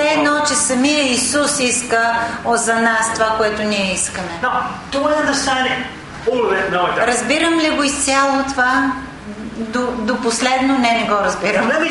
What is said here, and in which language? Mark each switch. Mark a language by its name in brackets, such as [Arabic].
[Bulgarian] едно, че самия Исус иска за нас това, което ние искаме. [English] Now, do I understand it? All of it? No, I don't. [Bulgarian] Разбирам ли го изцяло това? до последно не го разбирам.